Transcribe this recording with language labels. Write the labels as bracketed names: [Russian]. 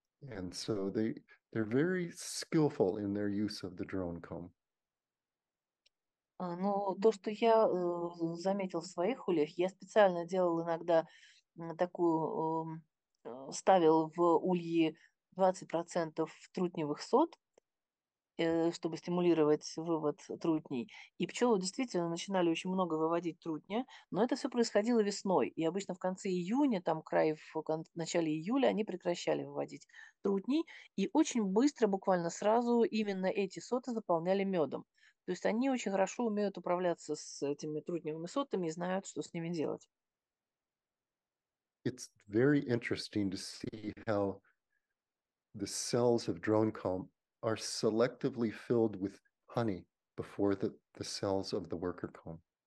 [English] And so they're very skillful in their use of the drone comb. [Russian] Но то, что я заметил в своих ульях, я специально делал иногда такую, ставил в ульи 20% трутневых сот, чтобы стимулировать вывод трутней. И пчелы действительно начинали очень много выводить трутня, но это все происходило весной. И обычно в конце июня, там край в начале июля, они прекращали выводить трутней. И очень быстро, буквально сразу, именно эти соты заполняли медом. То есть они очень хорошо умеют управляться с этими трутневыми сотами и знают, что с ними делать. [English] It's very interesting to see how the cells of drone comb are selectively filled with honey before the cells of the worker comb.